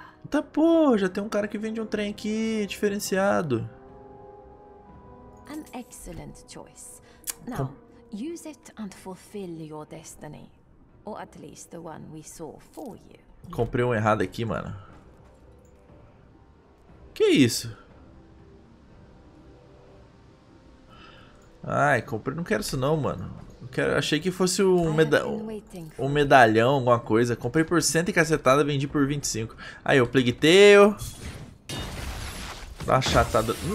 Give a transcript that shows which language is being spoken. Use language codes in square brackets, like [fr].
[pt] Tá, pô, já tem um cara que vende um trem aqui, diferenciado. [en] An excellent choice. Now, use it and fulfill your destiny. Or at least the one we saw for you. [pt] Comprei um errado aqui, mano. Que isso? Ai, comprei, não quero isso não, mano. Quero, achei que fosse um medalhão, alguma coisa. Comprei por 100 e cacetada, vendi por 25. Aí, o Plague Tale. Dá uma chatada.